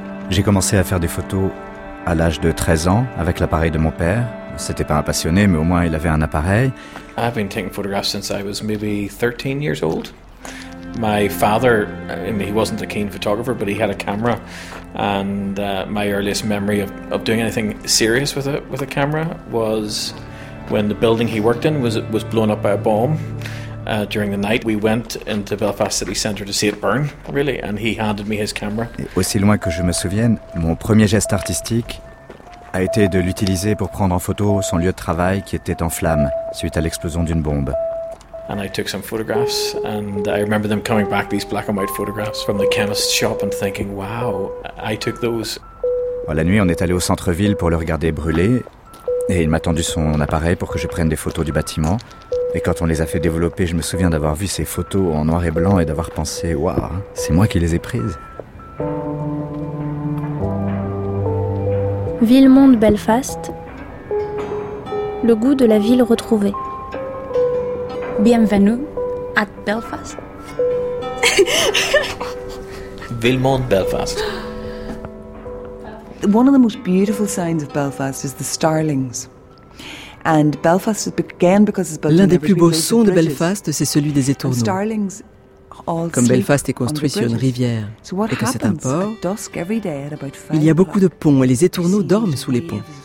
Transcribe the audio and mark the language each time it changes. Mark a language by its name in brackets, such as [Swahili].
[French] J'ai commencé à faire des photos à l'âge de 13 ans avec l'appareil de mon père. C'était pas un passionné, mais au moins il avait un appareil. [English] I've been taking photographs since I was maybe 13 years old. My father, I mean, he wasn't a keen photographer, but he had a camera. And my earliest memory of doing anything serious with a camera was when the building he worked in was blown up by a bomb. During the night, we went into Belfast City Centre to see it burn, really, and he handed me his camera. [French] Et aussi loin que je me souvienne, mon premier geste artistique a été de l'utiliser pour prendre en photo son lieu de travail qui était en flammes suite à l'explosion d'une bombe. [English] And I took some photographs, and I remember them coming back, these black and white photographs from the chemist's shop, and thinking, wow, I took those. [French] Bon, la nuit, on est allé au centre-ville pour le regarder brûler, et il m'a tendu son appareil pour que je prenne des photos du bâtiment. Et quand on les a fait développer, je me souviens d'avoir vu ces photos en noir et blanc et d'avoir pensé, waouh, c'est moi qui les ai prises. Ville-monde Belfast, le goût de la ville retrouvée. Bienvenue à Belfast. Ville-monde Belfast. [English] One of the most beautiful signs of Belfast is the starlings. And Belfast began because it's built. [French] L'un des plus beaux sons de Belfast, c'est celui des étourneaux. [English] Starlings all. [French] Comme Belfast est construit sur une rivière et que c'est un port, il y a beaucoup de ponts et les étourneaux dorment sous les ponts.